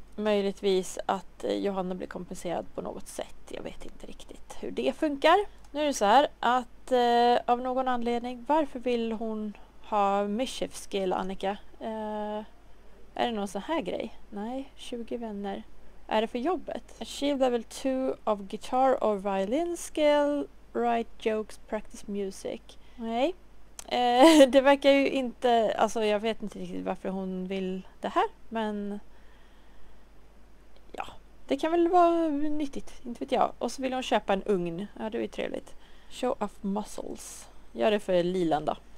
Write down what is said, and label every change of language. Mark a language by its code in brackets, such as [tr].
[sv] Möjligtvis att Johanna blir kompenserad på något sätt. Jag vet inte riktigt hur det funkar. Nu är det så här att av någon anledning, varför vill hon ha mischief skill, Annika? Är det någon sån här grej? Nej, 20 vänner. Är det för jobbet? [en] Achieve level 2 of guitar or violin skill. Write jokes, practice music. [sv] Nej. Det verkar ju inte, alltså jag vet inte riktigt varför hon vill det här, men ja, det kan väl vara nyttigt, inte vet jag. Och så vill hon köpa en ugn, ja det är ju trevligt. [en] Show off muscles, [sv] gör det för Lilan då.